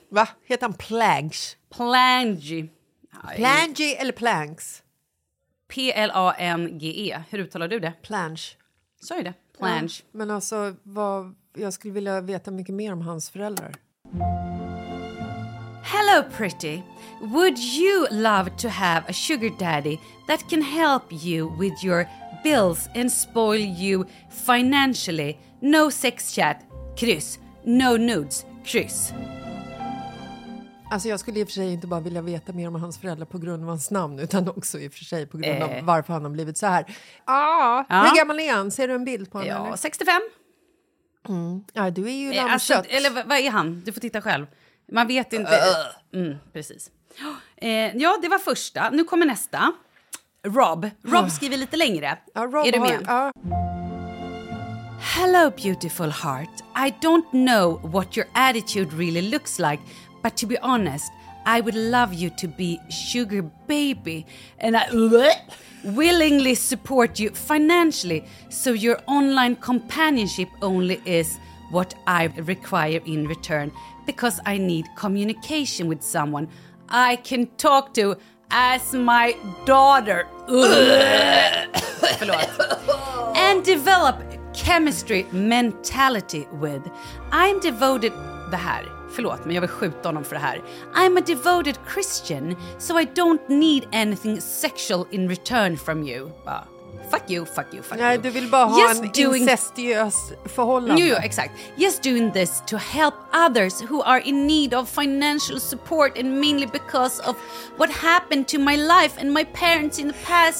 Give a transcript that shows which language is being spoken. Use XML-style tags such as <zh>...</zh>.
<sv>Va? Heter han Planks? Plangy. Plangy eller Planks? Plange. Hur uttalar du det? Plange. Så är det. Plange. Ja, men alltså, jag skulle vilja veta mycket mer om hans föräldrar.</sv> <en>Hello pretty. Would you love to have a sugar daddy that can help you with your bills and spoil you financially? No sex chat. Kryss. No nudes. Kryss.</en> <sv>Alltså jag skulle i och för sig inte bara vilja veta mer om hans föräldrar på grund av hans namn, utan också i och för sig på grund av varför han har blivit så här. Hur gammal är han? Ser du en bild på honom? Ja, eller? 65. Mm. Ja, du är ju lammkött. Alltså, eller vad är han? Du får titta själv. Man vet inte. Precis. Ja, det var första. Nu kommer nästa. Rob. Rob skriver lite längre. Ja, Rob, är du med? Ja.</sv> <en>Hello beautiful heart. I don't know what your attitude really looks like. But to be honest, I would love you to be sugar baby and I willingly support you financially so your online companionship only is what I require in return because I need communication with someone I can talk to as my daughter and develop chemistry mentality with. I'm devoted...</en> <sv>Det här. Förlåt, men jag vill skjuta honom för det här.</sv> <en>I'm a devoted Christian, so I don't need anything sexual in return from you. Fuck you.</en> <sv>Nej, du vill bara ha en incestuös förhållande. Jo, exakt.</sv> <en>Just doing this to help others who are in need of financial support and mainly because of what happened to my life and my parents in the past.</en>